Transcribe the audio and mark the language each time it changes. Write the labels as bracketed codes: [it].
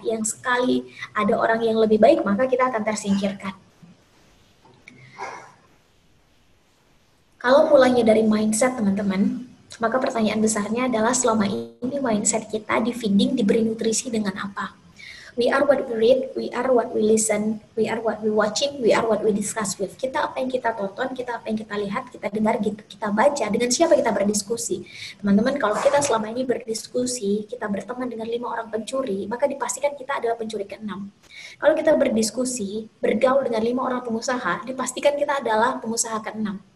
[id] Yang sekali ada orang yang lebih baik, maka kita akan tersingkirkan. Kalau mulainya dari mindset, teman-teman, maka pertanyaan besarnya adalah selama ini mindset kita di feeding, diberi nutrisi dengan apa? [en] We are what we read, we are what we listen, we are what we watching, we are what we discuss with. [id] Kita apa yang kita tonton, kita apa yang kita lihat, kita dengar, kita baca, dengan siapa kita berdiskusi. Teman-teman, kalau kita selama ini berdiskusi, kita berteman dengan 5 orang pencuri, maka dipastikan kita adalah pencuri ke-6. Kalau kita berdiskusi, bergaul dengan 5 orang pengusaha, dipastikan kita adalah pengusaha ke-6.